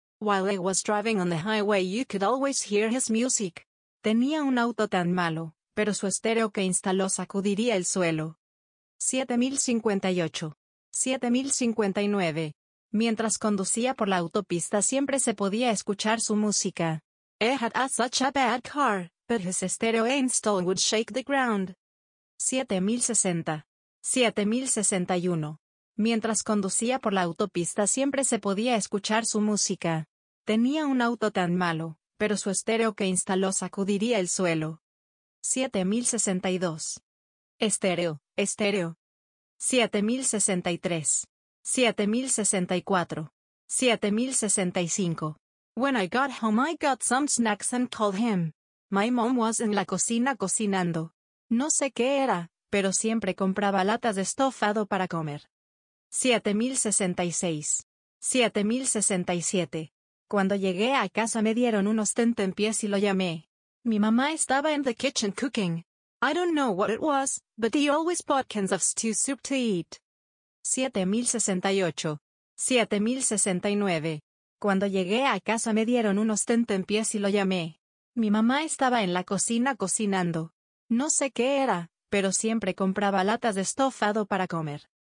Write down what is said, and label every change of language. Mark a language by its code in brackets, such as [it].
[en] While I was driving on the highway, you could always hear his music. [es] Tenía un auto tan malo, pero su estéreo que instaló sacudiría el suelo. 7058. 7059. Mientras conducía por la autopista siempre se podía escuchar su música. [en] He had a such a bad car, but his stereo install would shake the ground. 7060. 7061. [es] Mientras conducía por la autopista siempre se podía escuchar su música. Tenía un auto tan malo, pero su estéreo que instaló sacudiría el suelo. 7062. Estéreo, estéreo. 7063. 7064. 7065. [en] When I got home I got some snacks and called him. My mom was in [es] la cocina cocinando. No sé qué era, pero siempre compraba latas de estofado para comer. 7066. 7067. Cuando llegué a casa me dieron unos tentempiés y lo llamé. Mi mamá estaba en [en] the kitchen cooking. I don't know what it was, but he always bought cans of stew soup to eat. 7068. 7069. [es] Cuando llegué a casa me dieron unos tentempiés y lo llamé. Mi mamá estaba en la cocina cocinando. No sé qué era, pero siempre compraba latas de estofado para comer.